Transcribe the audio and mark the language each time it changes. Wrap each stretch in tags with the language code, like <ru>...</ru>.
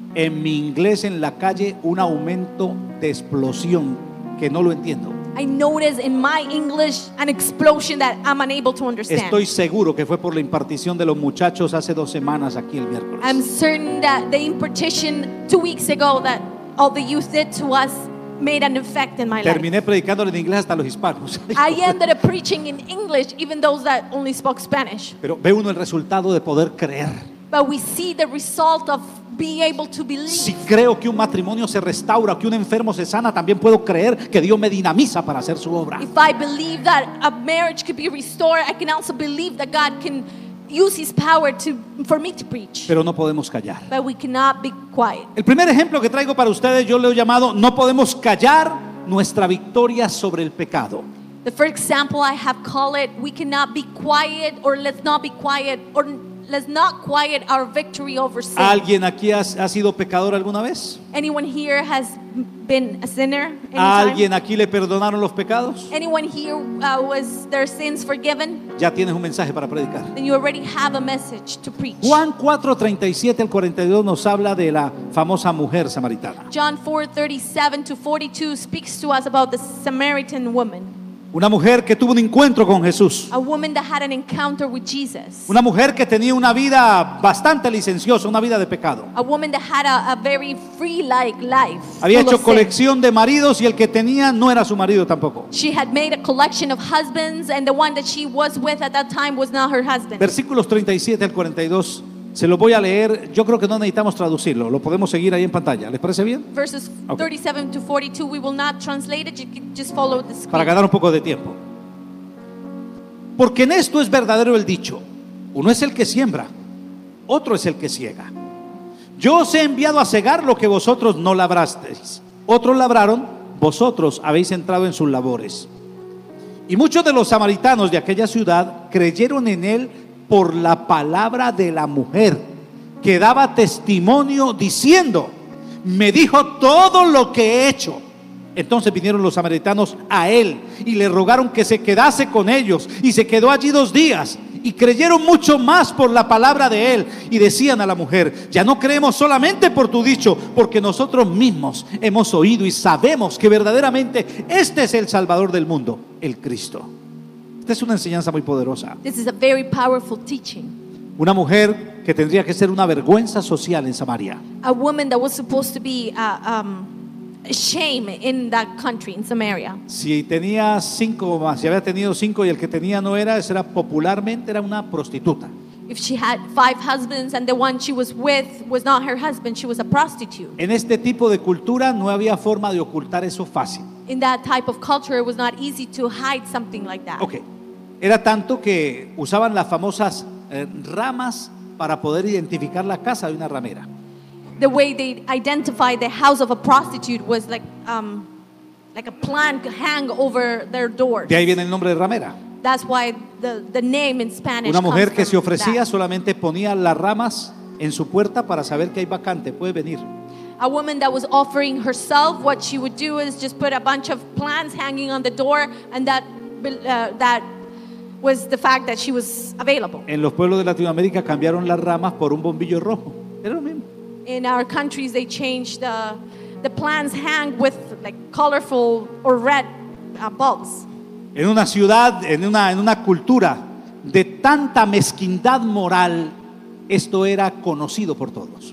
<es>En mi inglés en la calle un aumento de explosión que no lo entiendo.</es> <en>I noticed in my English an explosion that I'm unable to understand.</en> <es>Estoy seguro que fue por la impartición de los muchachos hace dos semanas aquí el miércoles.</es> <en>I'm certain that the impartition 2 weeks ago that all the youth did to us made an effect in my life.</en> <es>Terminé predicándole en inglés hasta los hispanos.</es> <en>I ended up preaching in English even those that only spoke Spanish.</en> <es>Pero ve uno el resultado de poder creer.</es> <en>But we see the result of be able to believe.</en> <es>Si creo que un matrimonio se restaura, que un enfermo se sana, también puedo creer que Dios me dinamiza para hacer su obra.</es> <en>If I believe that a marriage could be restored, I can also believe that God can use his power to for me to preach.</en> <es>Pero no podemos callar.</es> <en>But we cannot be quiet.</en> <es>El primer ejemplo que traigo para ustedes, yo le he llamado no podemos callar nuestra victoria sobre el pecado.</es> <en>The first example I have called it, we cannot be quiet, or let's not be quiet, or let's not quiet our victory over sin.</en> <es>¿Alguien aquí ha sido pecador alguna vez?</es> <en>Anyone here has been a sinner?</en> <es>¿A alguien aquí le perdonaron los pecados?</es> <en>Anyone here was their sins forgiven?</en> <es>Ya tienes un mensaje para predicar.</es> <en>Then you already have a message to preach.</en> <es>Juan 4:37 al 42 nos habla de la famosa mujer samaritana.</es> <en>John 4:37 to 42 speaks to us about the Samaritan woman.</en> <es>Una mujer que tuvo un encuentro con Jesús.</es> <en>A woman that had an encounter with Jesus.</en> <es>Una mujer que tenía una vida bastante licenciosa, una vida de pecado.</es> <en>A woman that had a very free-like life.</en> <es>Había hecho colección de maridos y el que tenía no era su marido tampoco.</es> <en>She had made a collection of husbands and the one that she was with at that time was not her husband.</en> <es>Versículos 37 al 42. Se lo voy a leer. Yo creo que no necesitamos traducirlo. Lo podemos seguir ahí en pantalla. ¿Les parece bien?</es> <en>Verses 37 to 42. We will not translate it. You can just follow the screen.</en> <es>Para ganar un poco de tiempo. Porque en esto es verdadero el dicho: uno es el que siembra, otro es el que ciega. Yo os he enviado a cegar lo que vosotros no labrasteis. Otros labraron, vosotros habéis entrado en sus labores. Y muchos de los samaritanos de aquella ciudad creyeron en él por la palabra de la mujer que daba testimonio diciendo: me dijo todo lo que he hecho. Entonces vinieron los samaritanos a él y le rogaron que se quedase con ellos, y se quedó allí 2 días. Y creyeron mucho más por la palabra de él, y decían a la mujer: ya no creemos solamente por tu dicho, porque nosotros mismos hemos oído y sabemos que verdaderamente este es el Salvador del mundo, el Cristo. Esta es una enseñanza muy poderosa.</es> <en>This is a very powerful teaching.</en> <es>Una mujer que tendría que ser una vergüenza social en Samaria.</es> <en>A woman that was supposed to be a shame in that country, in Samaria.</en> <es>Si tenía 5 o más, si había tenido 5 y el que tenía no era, era popularmente era una prostituta.</es> <en>If she had 5 husbands and the one she was with was not her husband, she was a prostitute.</en> <es>En este tipo de cultura no había forma de ocultar eso fácil.</es> <en>In that type of culture, it was not easy to hide something like that.</en> <es>Okay. Era tanto que usaban las famosas ramas para poder identificar la casa de una ramera.</es> <en>The way they identified the house of a prostitute was like a plank hang over their door.</en> <es>De ahí viene el nombre de ramera.</es> <en>That's why the name in Spanish.</en> <es>Una mujer que se ofrecía solamente ponía las ramas en su puerta para saber que hay vacante, puede venir.</es> <en>A woman that was offering herself, what she would do is just put a bunch of plants hanging on the door, and that was the fact that she was available.</en> <es>En los pueblos de Latinoamérica cambiaron las ramas por un bombillo rojo. Era lo mismo.</es> <en>In our countries, they changed the plants hang with like colorful or red bulbs.</en> <es>En una ciudad, en una cultura de tanta mezquindad moral, esto era conocido por todos.</es>